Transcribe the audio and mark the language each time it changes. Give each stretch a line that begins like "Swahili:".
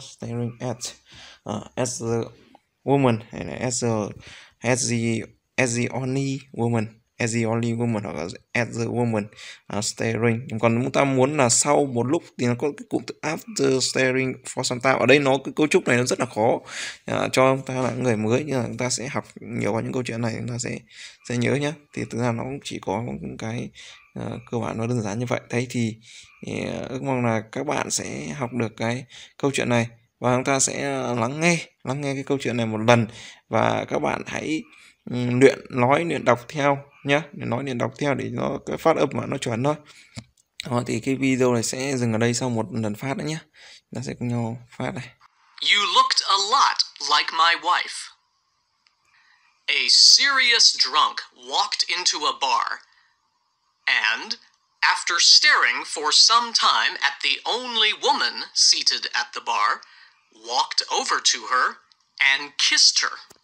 English: Staring at as a woman
Vietnamese: hay là
English: as the only woman, as the only woman
Vietnamese: hoặc là
English: as the woman staring.
Vietnamese: Còn chúng ta muốn là sau một lúc thì nó có cái cụm từ
English: after staring for some time.
Vietnamese: Ở đây nó cái cấu trúc này nó rất là khó cho chúng ta là người mới, nhưng mà chúng ta sẽ học nhiều vào những câu chuyện này chúng ta sẽ nhớ nhá. Thì thực ra nó cũng chỉ có một cái cơ bản nó đơn giản như vậy. Thế thì ước mong là các bạn sẽ học được cái câu chuyện này và chúng ta sẽ lắng nghe cái câu chuyện này một lần, và các bạn hãy luyện nói luyện đọc theo nhá, để nói liền đọc theo để nó cái phát âm mà nó chuẩn thôi. Đó, thì cái video này sẽ dừng ở đây sau một lần phát nữa nhé, nó sẽ cùng nhau phát này.
English: You looked a lot like my wife. A serious drunk walked into a bar, and after staring for some time at the only woman seated at the bar, walked over to her and kissed her.